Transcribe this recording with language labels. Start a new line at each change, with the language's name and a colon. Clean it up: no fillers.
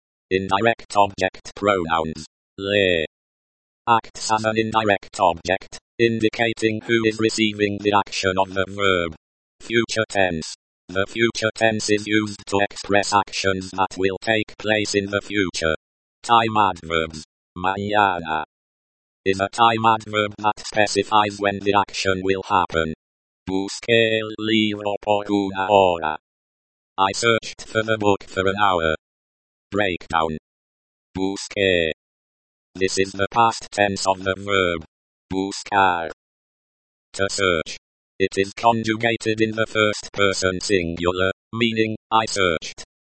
English: Indirect object pronouns. Le acts as an indirect object, indicating who is receiving the action of the verb. Future tense. The future tense is used to express actions that will take place in the future. Time adverbs. Mañana is a time adverb that specifies when the action will happen.
Spanish: Busqué el libro por una hora.
English: I searched for the book for an hour. Breakdown. Busqué. This is the past tense of the verb buscar. To search. It is conjugated in the first person singular, meaning, I searched.